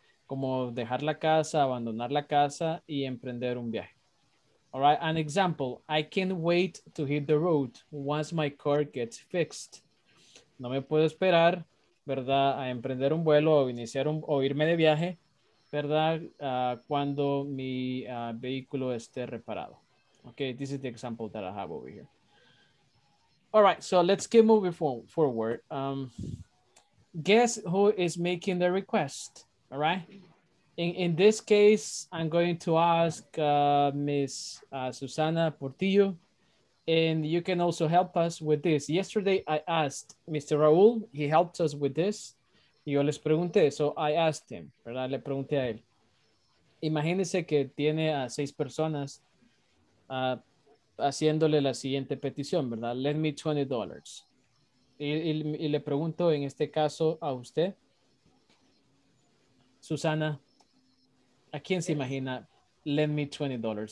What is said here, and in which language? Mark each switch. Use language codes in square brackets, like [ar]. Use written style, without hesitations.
[es] Como dejar la casa, abandonar la casa y emprender un viaje. [en] All right. An example. I can't wait to hit the road once my car gets fixed. [es] No me puedo esperar, verdad, a emprender un vuelo o iniciar un, o irme de viaje, verdad, cuando mi vehículo esté reparado. [en] Okay, this is the example that I have over here. All right, so let's keep moving forward. Guess who is making the request, all right? In this case, I'm going to ask Miss Susana Portillo, and you can also help us with this. Yesterday, I asked Mr. Raul, he helped us with this. [es] Yo les pregunté, [en] so I asked him, [es] ¿verdad? Le pregunté a él. Imagínense que tiene a 6 personas haciéndole la siguiente petición, ¿verdad? [en] Lend me $20. [es] Y le pregunto en este caso a usted, Susana, ¿a quién se imagina [en] lend me $20?